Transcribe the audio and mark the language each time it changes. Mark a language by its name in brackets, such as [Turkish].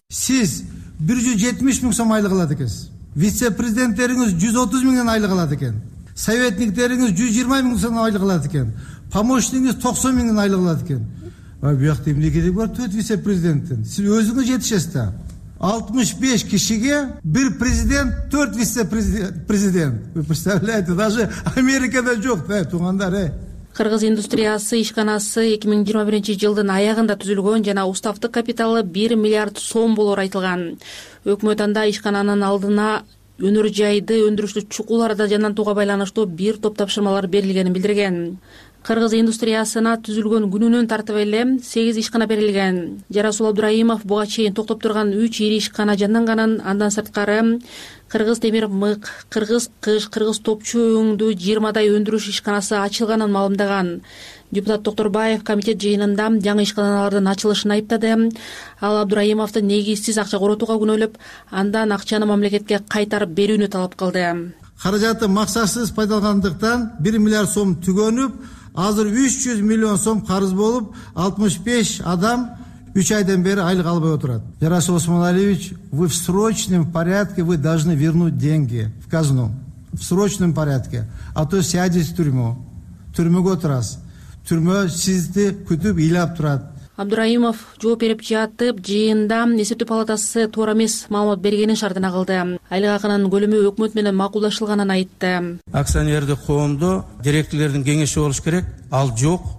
[Kyrgyz] Сиз 170 000 сом айлык алат экенсиз. Вице президенттериңиз 130 000 айлык алат экен. Советниктериңиз 120 000 сом айлык алат экен. Помощниктериңиз 90 000 айлык алат экен. А бу жакта эмне керек бар? 4 вице президенттин. Сиз өзүңүз жетишесиз да. 65 кишиге бир президент, 4 вице президент. [Russian] Вы представляете, даже [Kyrgyz] Америкада жок, туугандар. Кыргыз индустриясы ишканасы 2021 жылдын аягында түзүлгөн жана уставтык капиталы 1 миллиард сом болор айтылган. Өкмөт анда ишкананын алдына өнөр жайды өндүрүштү чукуларда жандантууга байланыштуу бир топ тапшырмалар берилгенин билдирген. Кыргыз индустриясына түзүлгөн күнүнөн тартып эле 8 ишкана берилген. Жарасул Абдыраимов буга чейин токтоп турган 3 ири ишкана жанданганын, андан сырткары Кыргыз темир мык, кыргыз кыш, кыргыз топчу өңдүү 20 өндүрүш ишканасы ачылганын маалымдаган. Депутат Токторбаев комитет жыйынында жаңы ишканалардын ачылышын айыптады. Ал Абдыраимовду негизсиз акча коротууга күнөлөп, андан акчаны мамлекетке кайтарып берүүнү талап кылды. Каражатты максатсыз пайдаландыктан 1 миллиард сом түгөнүп, азыр 300 миллион сом карыз болуп, 65 адам 3 айдан бери айлык албай отурат. [Russian] Жарасул Осмоналиевич, вы в срочном порядке вы должны вернуть деньги в казну. В срочном порядке. А то сядете в тюрьму. [Kyrgyz] Тюрьмөгө отурасыз. Түрмө сизди күтүп ыйлап турат. Абдыраимов жооп берип жатып, жыйында эсептөө палатасы туура эмес маалымат бергенин шартына кылды. Айлык акынын көлөмү өкмөт менен макулдашылганын айтты. Акционердик коомдо директорлордун кеңеши болуш керек, ал жок.